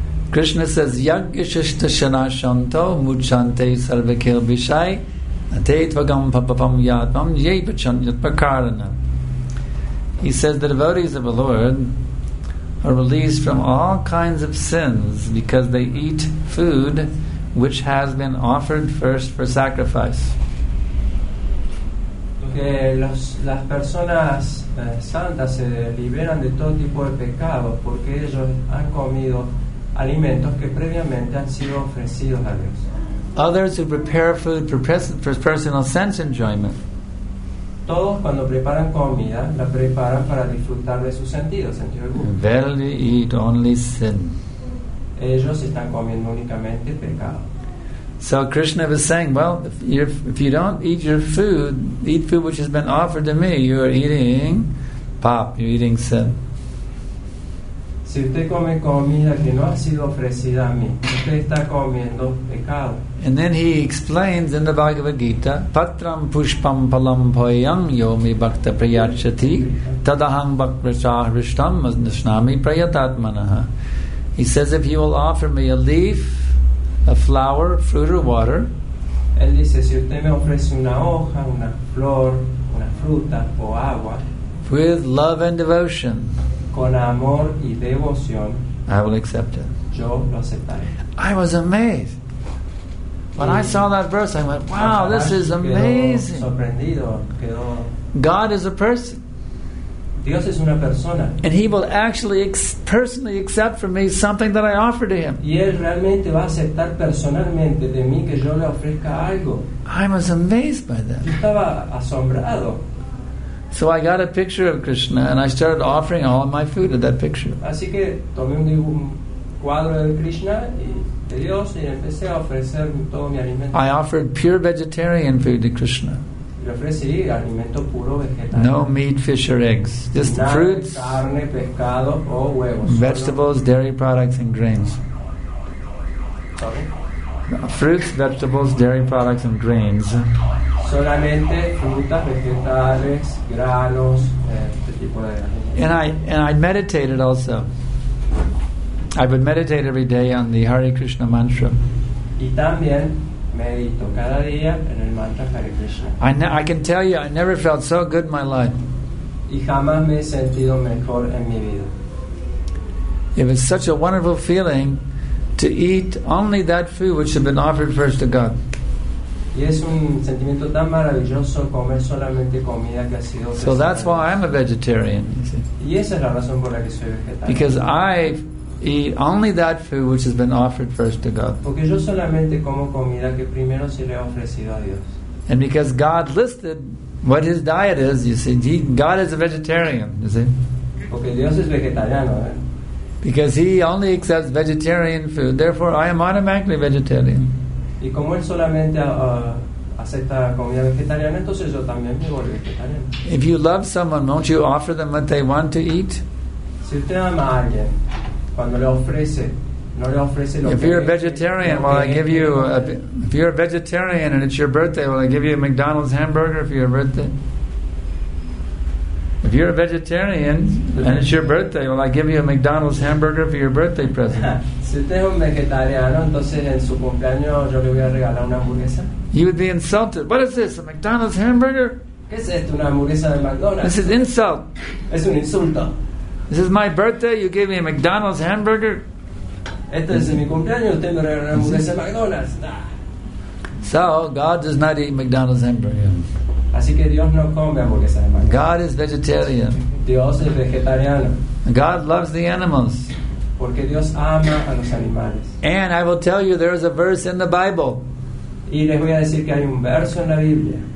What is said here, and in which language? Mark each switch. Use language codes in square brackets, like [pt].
[sa] Krishna says, Yagishishta shana shanto muchante sarvakil vishai atetvagam papapam yatvam yepachan yatpakarana. [en] He says the devotees of the Lord are released from all kinds of sins because they eat food which has been offered first for sacrifice. [es] Que las personas santas se liberan de todo tipo de pecados porque ellos han comido alimentos que previamente han sido ofrecidos a Dios. [en] Others who prepare food for personal sense enjoyment. [es] Todos cuando preparan comida la preparan para disfrutar de sus sentidos, [en] barely eat only sin. [es] Ellos están comiendo únicamente pecado. [en] So Krishna was saying, well, if you don't eat your food, eat food which has been offered to me, you are eating pap, you're eating sin. [es] Si usted come comida que no ha sido ofrecida a mí, usted está comiendo pecado. [en] And then he explains in the Bhagavad Gita, [sa] patram pushpam palam poyam yomi bhakta prayachati tadaham bhakrachahrishtam nishnami prayatatmanaha. [en] He says, if you will offer me a leaf, a flower, fruit, or water. [es] Él dice, si usted me ofrece una hoja, una flor, una fruta o agua, [en] with love and devotion, [es] con amor y devoción, [en] I will accept it. [es] Yo lo aceptaré. [en] I was amazed. When I saw that verse, I went, wow, this is amazing. [es] Quedó sorprendido, quedó. [en] God is a person. [es] Dios es una persona. [en] And he will actually personally accept from me something that I offer to him. [es] Y él realmente va a aceptar personalmente de mí que yo le ofrezca algo. [en] I was amazed by that. [es] Yo estaba asombrado. [en] So I got a picture of Krishna and I started offering all my food at that picture. [es] Así que tomé un cuadro de Krishna y de Dios y empecé a ofrecer todo mi alimento. [en] I offered pure vegetarian food to Krishna. No meat, fish, or eggs. Just fruits, [es] carne, pescado, o huevos, [en] vegetables, dairy products, and grains. Sorry? Fruits, vegetables, dairy products, and grains. [es] Solamente frutas, vegetales, granos, este tipo de. [en] And I meditated also. I would meditate every day on the Hare Krishna mantra. [es] Y también medito cada día en el mantra Hare Krishna. [en] I can tell you, I never felt so good in my life. [es] Y jamás me he sentido mejor en mi vida. [en] It was such a wonderful feeling to eat only that food which had been offered first to God. [es] Y es un sentimiento tan maravilloso comer solamente comida que ha sido [en] vegetal. So that's why I'm a vegetarian. [es] Y esa es la razón por la que soy vegetariano. [en] Because I eat only that food which has been offered first to God. [es] Porque yo solamente como comida que primero se le ha ofrecido a Dios. [en] And because God listed what his diet is, you see, God is a vegetarian, you see. [es] Porque Dios es vegetariano, ¿eh? [en] Because he only accepts vegetarian food, therefore I am automatically vegetarian. [es] Y como él solamente acepta comida vegetariana, entonces yo también me vuelvo vegetariano. [en] If you love someone, won't you offer them what they want to eat? [es] Si usted ama a alguien, cuando le ofrece, no le ofrece lo que... [en] If you're a vegetarian, will I give you... If you're a vegetarian and it's your birthday, will I give you a McDonald's hamburger for your birthday? If you're a vegetarian and it's your birthday, will I give you a McDonald's hamburger for your birthday present? [es] Si usted es un vegetariano, entonces en su cumpleaños yo le voy a regalar una hamburguesa. [en] You would be insulted. What is this, a McDonald's hamburger? [es] ¿Qué es esto, una hamburguesa de McDonald's? [en] This is insult. [es] Es un insulto. [en] This is my birthday, you gave me a McDonald's hamburger? [es] Este es mi cumpleaños, usted me regaló una hamburguesa de McDonald's. [en] Nah. So, God does not eat McDonald's hamburger. [es] Así que Dios no come hamburguesa de McDonald's. [en] God is vegetarian. [es] Dios es vegetariano. [en] God loves the animals. [es] Porque Dios ama a los animales. [en] And I will tell you, there is a verse in the Bible. [es] Y les voy a decir que hay un verso en la Biblia.